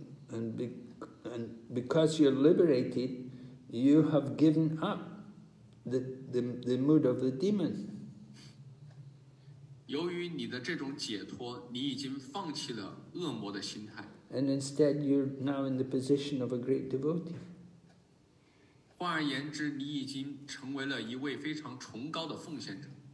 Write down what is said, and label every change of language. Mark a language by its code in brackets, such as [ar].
[en] And because you're liberated, you have given up the mood of the demon. [zh] 由于你的这种解脱，你已经放弃了恶魔的心态。 [en] And instead, you're now in the position of a great devotee. [zh] 换而言之，你已经成为了一位非常崇高的奉献者。